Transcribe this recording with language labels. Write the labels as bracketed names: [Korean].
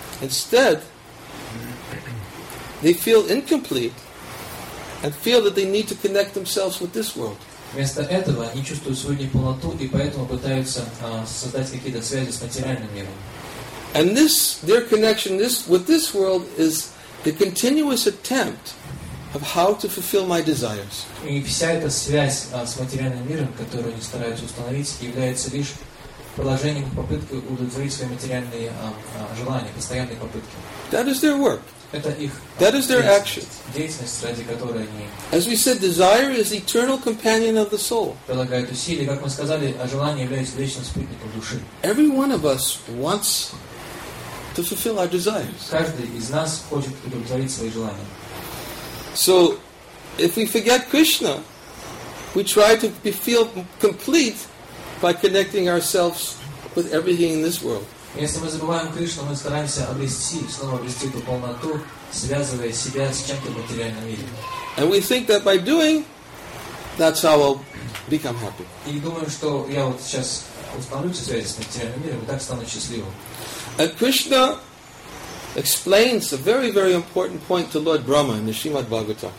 [English] Instead, they feel incomplete and feel that they need to connect themselves with this world. [Russian] Вместо этого они чувствуют свою неполноту и поэтому пытаются создать какие-то связи с материальным миром. And this, their connection this, with this world is the continuous attempt of how to fulfill my desires. И вся эта связь с материальным миром, которую они стараются установить, является лишь продолжением попытки удовлетворить свои материальные желания, постоянные попытки. [English] That is their work. [Russian] Это их деятельность, ради которой они. [English] As we said, desire is eternal companion of the soul. [Russian] Прилагают усилия, как мы сказали, а желание является вечным спутником души. [English] Every one of us wants to fulfill our desires. [Russian] Каждый из нас хочет удовлетворить свои желания. [English] So, if we forget Krishna, we try to feel complete by connecting ourselves with everything in this world. [Russian] Если мы забываем Кришну, мы стараемся обрести, снова обрести эту полноту, связывая себя с чем-то материальным миром. [English] And we think that by doing, that's how I'll become happy. [Russian] И думаем, что я вот сейчас установлюсь в связи с материальным миром, и так стану счастливым. [English] And Krishna explains a very, very important point to Lord Brahma in the Srimad Bhagavatam.